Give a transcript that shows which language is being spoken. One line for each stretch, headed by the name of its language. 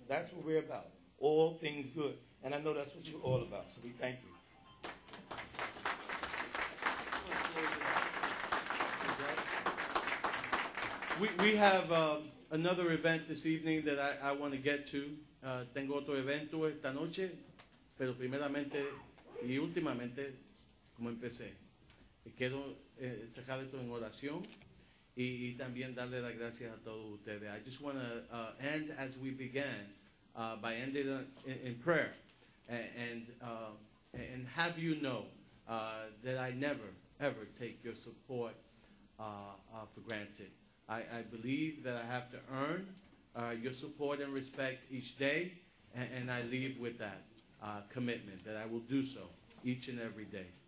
English: That's what we're about, all things good. And I know that's what you're all about, so we thank you. We have another event this evening that I want to get to.
Spanish: Tengo otro evento esta noche, pero primeramente y últimamente, como empecé, quiero sacar esto en oración y también darle las gracias a todos ustedes.
English: I just want to end as we began, by ending in prayer, and have you know that I never, ever take your support for granted. I believe that I have to earn your support and respect each day, and I leave with that commitment that I will do so each and every day.